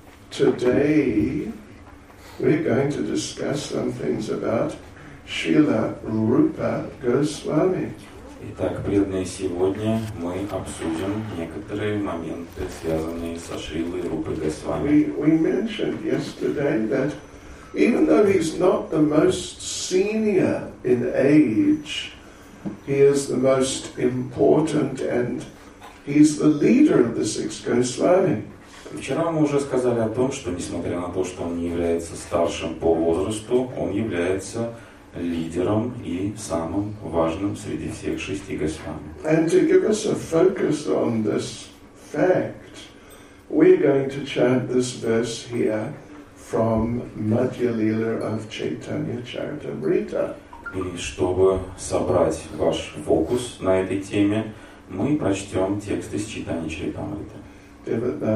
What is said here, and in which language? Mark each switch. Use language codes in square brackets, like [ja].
[en] Today we're going to discuss some things about Srila Rupa Goswami. [ru] Итак, преданные, сегодня мы обсудим некоторые моменты, связанные со Шрилой Рупой Госвами. [en] We mentioned yesterday that even though he's not the most senior in age, he is the most important and he's the leader of the six Goswami. [ru] Вчера мы уже сказали о том, что несмотря на то, что он не является старшим по возрасту, он является лидером и самым важным среди всех шести Госвами. [en] And to give us a focus on this fact, we're going to chant this verse here from Madhya Lila of Chaitanya Charitamrita. [ru] И чтобы собрать ваш фокус на этой теме, мы прочтем текст из Чайтаньи Чаритамриты.